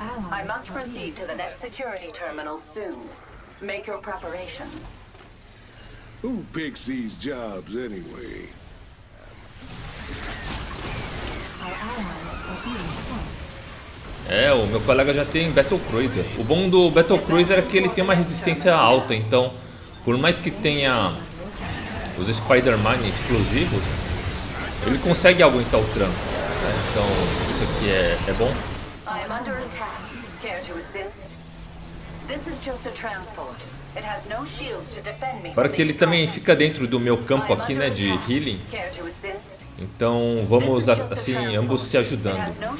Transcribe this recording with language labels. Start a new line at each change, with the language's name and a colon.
English: I must proceed to the next security terminal soon. Make your preparations. Who picks these jobs anyway? Our allies are being attacked.
Portuguese: É, o meu colega já tem Battlecruiser. O bom do Battlecruiser é que ele tem uma resistência alta, então por mais que tenha os Spider-Man explosivos, ele consegue aguentar o tranco. Tá, então, isso aqui é bom?
English: I am under attack. Care to assist? This is just a transport. It has no shields to defend me.
Portuguese: Para que ele também fica dentro do meu campo aqui, né, de healing. Então, vamos assim, ambos se ajudando.